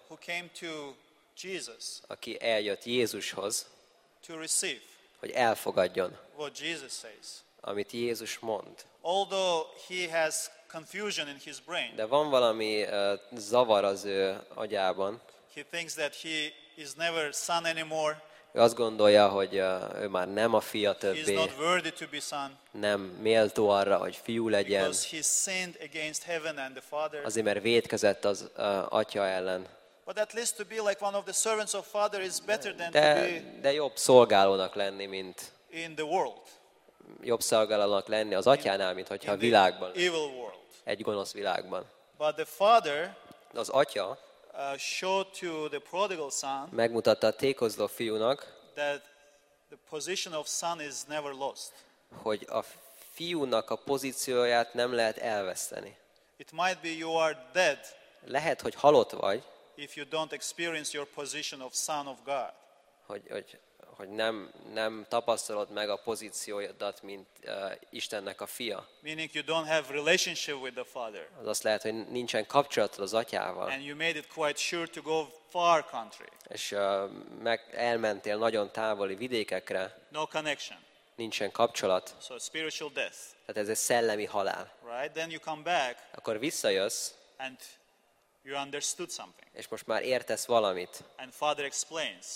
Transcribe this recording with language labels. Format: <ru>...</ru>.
<en>Who came to Jesus.</en> <hu>Aki eljött Jézushoz.</hu> <en>To receive.</en> <hu>Hogy elfogadjon.</hu> <en>What Jesus says.</en> <hu>Amit Jézus mond.</hu> <en>Although he has confusion in his brain.</en> <hu>De van valami zavar az ő agyában.</hu> <en>He thinks that he is never son anymore.</en> <hu>Ő azt gondolja, hogy ő már nem a fia többé.</hu> <en>He is not worthy to be son.</en> <hu>Nem méltó arra, hogy fiú legyen.</hu> <en>Because he sinned against heaven and the father.</en> <hu>Azért, mert vétkezett az atya ellen.</hu> <en>But at least to be like one of the servants of father is better than</en> <hu>de jobb szolgálónak lenni, mint</hu> <en>in the world.</en> <hu>Jobb szolgálónak lenni az atyánál, mint hogyha a világban.</hu> <en>Evil world.</en> <hu>Egy gonosz világban.</hu> <en>But the father</en> <hu>az atya</hu> <en>showed to the prodigal son</en> <hu>megmutatta a tékozló fiúnak</hu> <en>that the position of son is never lost.</en> <hu>Hogy a fiúnak a pozícióját nem lehet elveszteni.</hu> <en>It might be you are dead.</en> <hu>Lehet, hogy halott vagy.</hu> <en>If you don't experience your position of son of God.</en> <hu>Hogy nem tapasztalod meg a pozíciódat, mint Istennek a fia.</hu> <en>Meaning you don't have relationship with the father.</en> <hu>Az azt lehet, hogy nincsen kapcsolatod az atyával.</hu> <en>And you made it quite sure to go far country.</en> <hu>És elmentél nagyon távoli vidékekre.</hu> <en>No connection.</en> <hu>Nincsen kapcsolat.</hu> <en>So spiritual death.</en> <hu>Tehát ez egy szellemi halál.</hu> <en>Right? Then you come back.</en> <hu>Akkor visszajössz.</hu> <en>And you understood something.</en> <hu>És most már értesz valamit.</hu> <en>And father explains.</en>